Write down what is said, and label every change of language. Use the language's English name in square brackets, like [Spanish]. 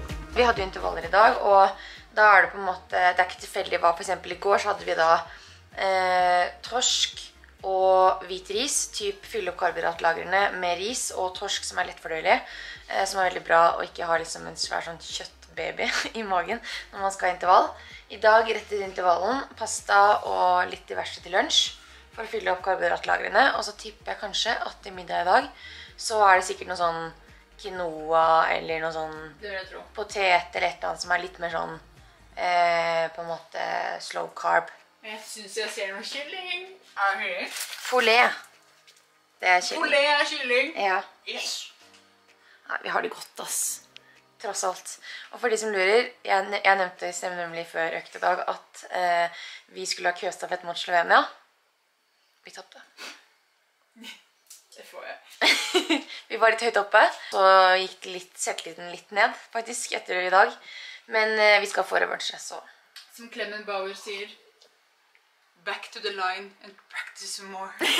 [Norwegian] Vi hadde jo intervaller i dag, og... Da er det på en måte, det er ikke tilfeldig hva, for eksempel i går så hadde vi da torsk og hvit ris, typ fylle opp karbohydratlagrene med ris og torsk som er lettfordøyelig, som er veldig bra å ikke ha liksom en svær sånn kjøttbaby i magen når man skal ha intervall. I dag rett i intervallen, pasta og litt diverse til lunsj for å fylle opp karbohydratlagrene, og så tipper jeg kanskje at i middag i dag så er det sikkert noe sånn quinoa eller något sån potet eller ett annat som är lite mer sån på något slow carb. Jeg synes jeg ser noen kylling. Er det filet? Filet. Filet er kylling. Ja. Yes. Nei, vi har det godt, ass. Tross alt. Og for de som lurer, jeg nevnte i stedet nemlig før økte dag at vi skulle ha køstafett mot Slovenia. Vi tappte. Det får jeg. Vi var litt høyt oppe, så gikk det litt, sette litt den litt ned, faktisk, etter i dag. Men vi skal få revansje, så. Som Clement Bauer sier, [English] back to the line and practice some more.